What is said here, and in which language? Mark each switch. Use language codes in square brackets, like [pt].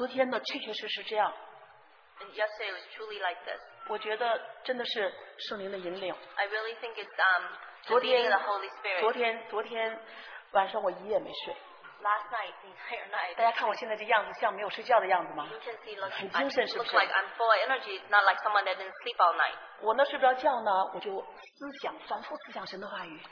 [zh] 我的手机呢？哎，我的手机。昨天呢，确确实实这样。 [en] And yesterday it was truly like this. [zh] 我觉得真的是圣灵的引领。 [en] I really think it's leading the Holy Spirit. [zh] 昨天晚上我一夜没睡。 [en] Last night, the entire night. [zh] 大家看我现在这样子，像没有睡觉的样子吗？ [en] You can see, look, [zh] 很精神，是不是？ [en] Look like I'm full of energy, not like someone that didn't sleep all night. [zh] 我那睡不着觉呢，我就思想，反复思想神的话语。